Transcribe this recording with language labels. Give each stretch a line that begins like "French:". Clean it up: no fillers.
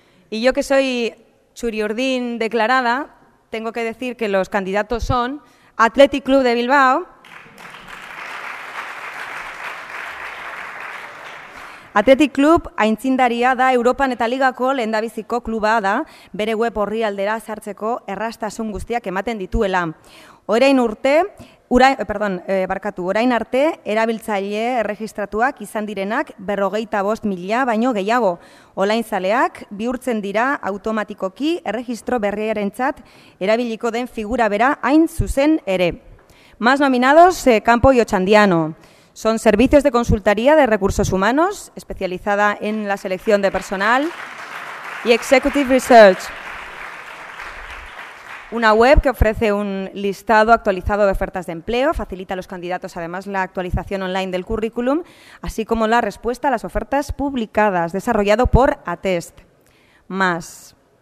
Spanish: Y yo, que soy churiurdín declarada, tengo que decir que los candidatos son Athletic Club de Bilbao.
Basque: Athletic Club aintzindaria da Europan eta Ligako lehendabiziko kluba da, bere web orrialdera sartzeko erraztasun guztiak ematen dituela. Orain arte erabiltzaile erregistratuak izan direnak 45.000 baino gehiago. Olainzaleak bihurtzen dira automatikoki erregistro berriarentzat erabiliko den figura bera hain zuzen ere.
Spanish: Más nominados, Campo y Ochandiano. Son servicios de consultoría de recursos humanos, especializada en la selección de personal, y Executive Research. Una web que ofrece un listado actualizado de ofertas de empleo, facilita a los candidatos además la actualización online del currículum, así como la respuesta a las ofertas publicadas, desarrollado por Atest. Más.